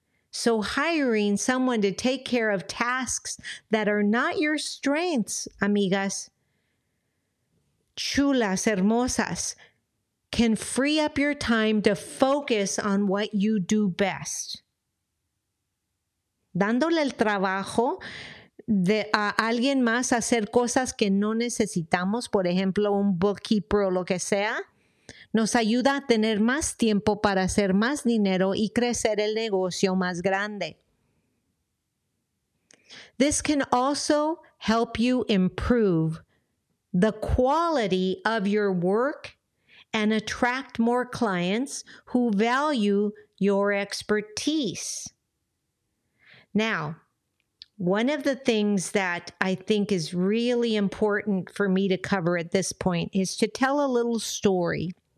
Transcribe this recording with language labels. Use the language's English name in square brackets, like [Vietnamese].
[English] So hiring someone to take care of tasks that are not your strengths, [Spanish] amigas, chulas, hermosas, [English] can free up your time to focus on what you do best. [Spanish] Dándole el trabajo de a alguien más hacer cosas que no necesitamos, por ejemplo, un bookkeeper o lo que sea, nos ayuda a tener más tiempo para hacer más dinero y crecer el negocio más grande. [English] This can also help you improve the quality of your work and attract more clients who value your expertise. Now, one of the things that I think is really important for me to cover at this point is to tell a little story.